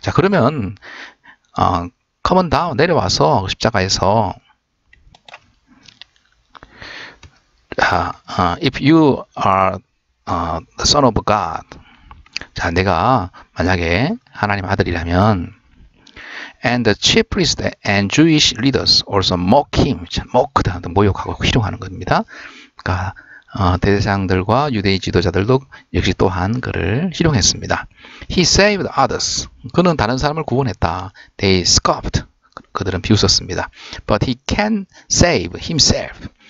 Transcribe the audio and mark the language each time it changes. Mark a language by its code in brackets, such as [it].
[ko] 자, 그러면, [en] come on down. [ko] 내려와서, 십자가에서. [en] If you are the son of God. [ko] 자, 내가 만약에 하나님 아들이라면. [en] And the chief priest and Jewish leaders also mock him. [ko] 모크다. 모욕하고 희롱하는 겁니다. 그러니까 대대장들과 유대인 지도자들도 역시 또한 그를 희롱했습니다. [en] He saved others. [ko] 그는 다른 사람을 구원했다. [en] They scoffed. [ko] 그들은 비웃었습니다. [en] But he can save himself.